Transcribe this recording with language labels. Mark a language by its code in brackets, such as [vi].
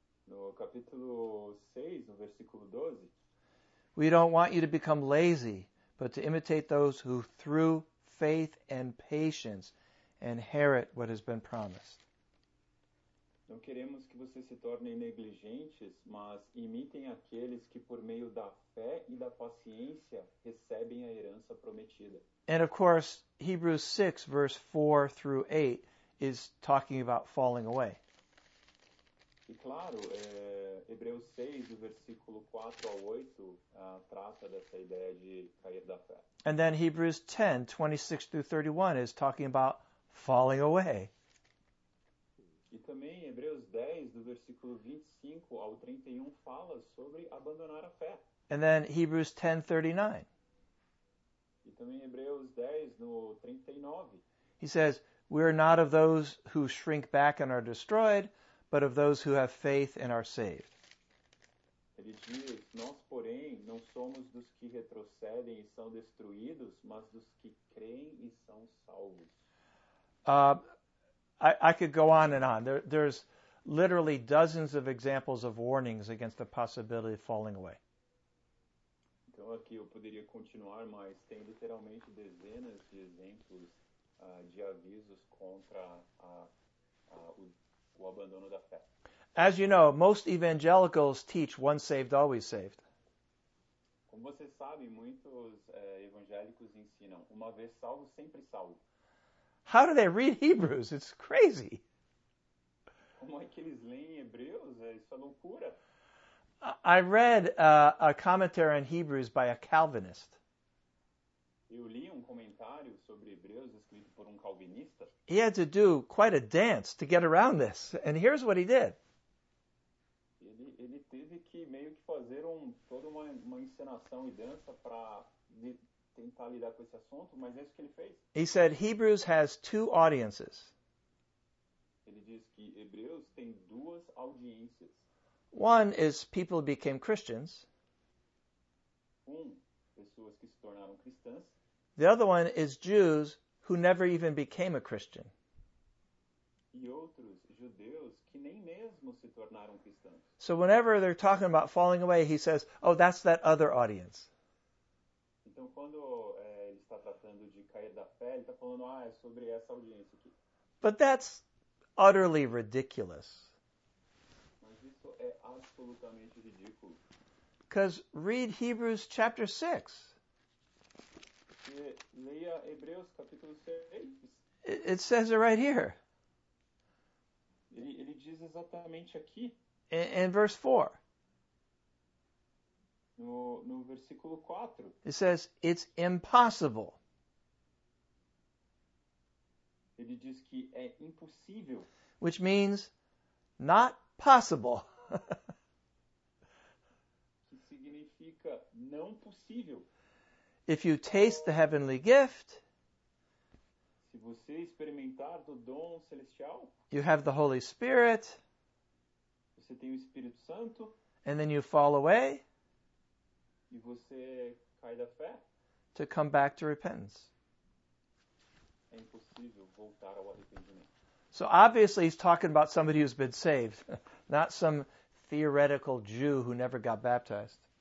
[pt] No capítulo 6, no versículo 12. [en] We don't want you to become lazy, but to imitate those who through faith and patience inherit what has been promised. [pt] Não queremos que vocês se tornem negligentes, mas imitem aqueles que por meio da fé e da paciência recebem a herança prometida. [en] And of course, Hebrews 6, verse 4 through 8 is talking about falling away. [pt] E claro, Hebreus 6, o versículo 4 ao 8, trata dessa ideia de cair da fé. [en] And then Hebrews 10, 26 through 31 is talking about falling away. [pt] E também Hebreus 10, do versículo 25 ao 31, fala sobre abandonar a fé. [en] And then Hebrews 10:39. [pt] E também Hebreus 10, no 39. [en] He says, we are not of those who shrink back and are destroyed, but of those who have faith and are saved. [pt] Ele diz, nós, porém, não somos dos que retrocedem e são destruídos, mas dos que creem e são salvos. [en] I could go on and on. There's literally dozens of examples of warnings against the possibility of falling away. [pt] Então aqui eu poderia continuar, mas tem literalmente dezenas de exemplos de avisos contra o abandono da fé. [en] As you know, most evangelicals teach once saved, always saved. [pt] Como você sabe, muitos evangélicos ensinam uma vez salvo, sempre salvo. [en] How do they read Hebrews? It's crazy. [pt] Como é que eles leem Hebreus? Isso é loucura. [en] I read a commentary on Hebrews by a Calvinist. [pt] Eu li um comentário sobre Hebreus escrito por um calvinista. [en] He had to do quite a dance to get around this. And here's what he did. [pt] Ele teve que meio que fazer toda uma encenação e dança para tentar lidar com esse assunto, mas é isso que ele fez. [en] He said Hebrews has two audiences. [pt] Ele diz que Hebreus tem duas audiências. [en] One is people who became Christians. [pt] Pessoas que se tornaram cristãs. [en] The other one is Jews who never even became a Christian. [pt] E outros judeus que nem mesmo se tornaram cristãos. [en] So whenever they're talking about falling away, he says, oh, that's that other audience. [pt] Então quando ele está tratando de cair da fé, ele está falando, ah, é sobre essa audiência aqui. [en] But that's utterly ridiculous. [pt] Mas isso é absolutamente ridículo. [en] Because read Hebrews chapter 6. [pt] Leia Hebreus capítulo 6. [en] It says it right here. [pt] Ele diz exatamente aqui. [en] In verse 4. [pt] No versículo 4. [en] It says, it's impossible. [pt] Ele diz que é impossível. [en] Which means, not possible. [pt] Que significa não possível. [en] If you taste the heavenly gift, [pt] se você experimentar do dom celestial, [en] you have the Holy Spirit, [pt] você tem o Espírito Santo, [en] and then you fall away, [pt] e você cai da fé, [en] to come back to repentance. [pt] É impossível voltar ao arrependimento. [en] So obviously he's talking about somebody who's been saved, not some theoretical Jew who never got baptized.